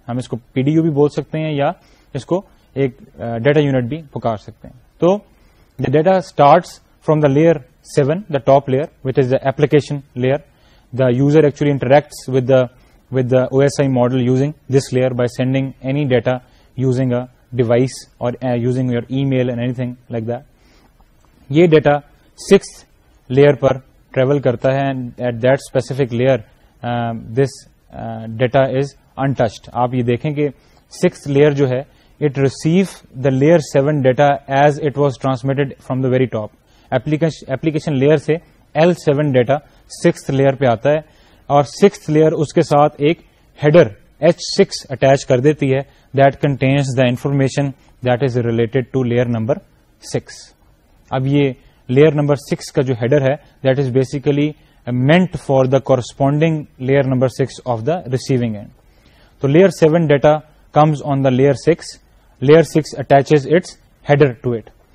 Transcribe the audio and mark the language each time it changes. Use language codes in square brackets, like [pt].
[ur] ہم اس کو PDU بھی بول سکتے ہیں یا اس کو ایک data unit بھی پکار سکتے ہیں. [en] تو the data starts from the layer 7, the top layer, which is the application layer. The user actually interacts with the OSI model using this layer by sending any data using a device or using your email and anything like that. [ur] Yeh data 6th layer par travel karta hai, [en] and at that specific layer this data is untouched. [ur] Aap yeh dekhen ke 6th layer jo hai, [en] it receives the layer 7 data as it was transmitted from the very top. Application layer se L7 data [ur] سکسٹھ layer پہ آتا ہے اور سکسٹھ layer اس کے ساتھ ایک header H six attach کر دیتی ہے [en] That contains the information that is related to layer number six. [ur] اب یہ لیئر نمبر سکس کا جو ہیڈر ہے [en] That is basically meant for the corresponding layer number 6 of the receiving end. So layer 7 data comes on the layer 6. Layer 6 attaches its header to it.